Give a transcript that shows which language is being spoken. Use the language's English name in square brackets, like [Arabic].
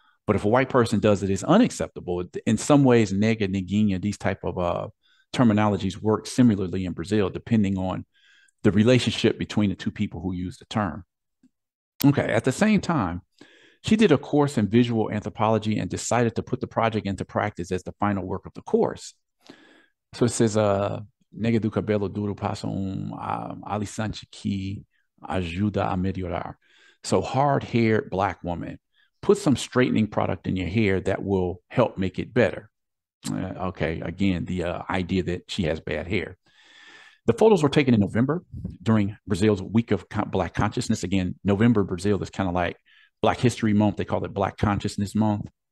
[English] But if a white person does it, it's unacceptable. In some ways, nega, neguinha, these type of terminologies work similarly in Brazil, depending on the relationship between the two people who use the term. Okay, at the same time, she did a course in visual anthropology and decided to put the project into practice as the final work of the course. So it says, [Portuguese] Nega do cabelo duro passa alisante que ajuda a melhorar. [English] So hard-haired black woman, put some straightening product in your hair that will help make it better. Okay, again, the idea that she has bad hair. The photos were taken in November during Brazil's Week of Black Consciousness. Again, November, Brazil is kind of like Black History Month. They call it Black Consciousness Month.